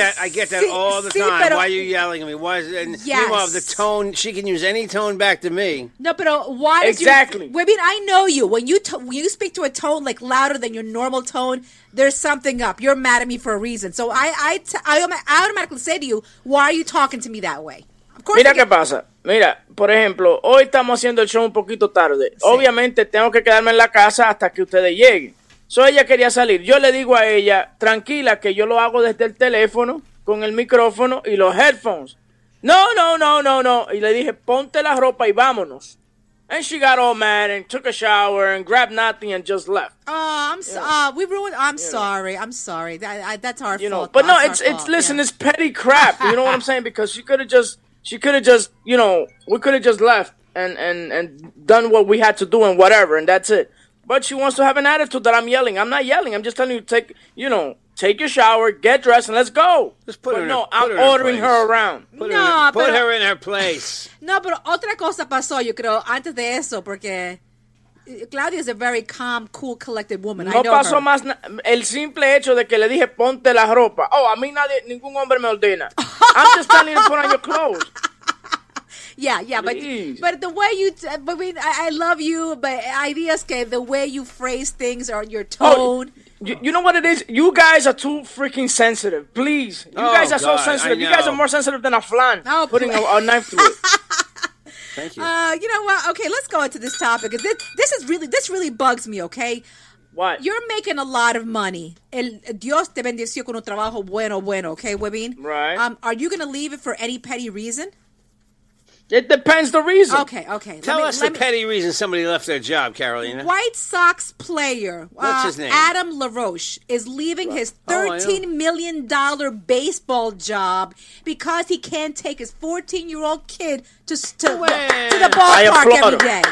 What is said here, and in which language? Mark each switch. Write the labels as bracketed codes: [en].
[en] I get that all the time. Why are you yelling at me? Meanwhile, the tone, she can use any tone back to me. No, but why did exactly. Women, I know you. When you speak to a tone like louder than your normal tone, there's something up. You're mad at me for a reason. So I automatically say to you, why are you talking to me that way? Of course. [es] Mira qué pasa. Mira, por ejemplo, hoy estamos haciendo el show un poquito tarde. Sí. Obviamente tengo que quedarme en la casa hasta que ustedes lleguen. So ella quería salir. Yo le digo a ella, tranquila, que yo lo hago desde el teléfono con el micrófono y los headphones. No. Y le dije, ponte la ropa y vámonos. [en] And she got all mad and took a shower and grabbed nothing and just left. I'm sorry. That's our fault. But no, it's petty crap. You know what I'm saying? Because she could have just, you know, we could have just left and done what we had to do and whatever, and that's it. But she wants to have an attitude that I'm yelling. I'm not yelling. I'm just telling you, take your shower, get dressed, and let's go. Put her in her place. [es] No, pero otra cosa pasó, yo creo, antes de eso, porque Claudia [en] is a very calm, cool, collected woman. [es] El simple hecho de que le dije, ponte la ropa. Oh, a mí nadie, ningún hombre me ordena. [en] I'm just telling you to put on your clothes. Yeah, please. I love you, but ideas que the way you phrase things or your tone. Oh. You know what it is? You guys are too freaking sensitive. Please. You guys are so sensitive. You guys are more sensitive than a flan putting a knife through it. Thank you. You know what? Okay, let's go into this topic. This really bugs me, okay? What? You're making a lot of money. [es] Dios te bendició con un trabajo bueno, okay, Webin? [en] Right. Are you going to leave it for any petty reason? It depends the reason. Okay. Tell us the petty reason somebody left their job, Carolina. White Sox player. What's his name? Adam LaRoche is leaving his $13 million baseball job because he can't take his 14-year-old kid to the ballpark every day.